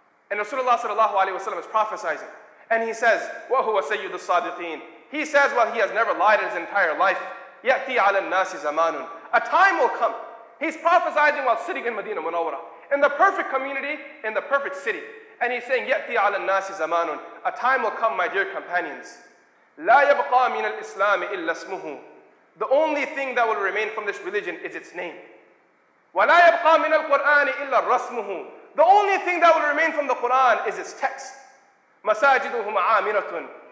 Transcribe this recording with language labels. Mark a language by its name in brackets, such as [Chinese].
[English] And Rasulullah sallallahu alayhi wa sallam is prophesizing. And he says, [Arabic] wa huwa sayyidus sadiqeen. [English] He says, well, he has never lied in his entire life. [Arabic] يَأْتِي عَلَى النَّاسِ زَمَانٌ. [English] A time will come. He's prophesizing while sitting in Medina Munawwara, in the perfect community, in the perfect city. And he's saying, [Arabic] يَأْتِي عَلَى النَّاسِ زَمَانٌ. [English] A time will come, my dear companions. [Arabic] لَا يَبْقَى مِنَ الْإِسْلَامِ إِلَّا اسْمُهُ. [English] The only thing that will remain from this religion is its name. [Arabic] وَلَا يَبْقَى مِنَ الْقُرْآنِ إِلَّا رَسْمُهُ. [English] The only thing that will remain from the Quran is its text. [Arabic] مَسَاجِدُهُمْ عَامِرَةٌ.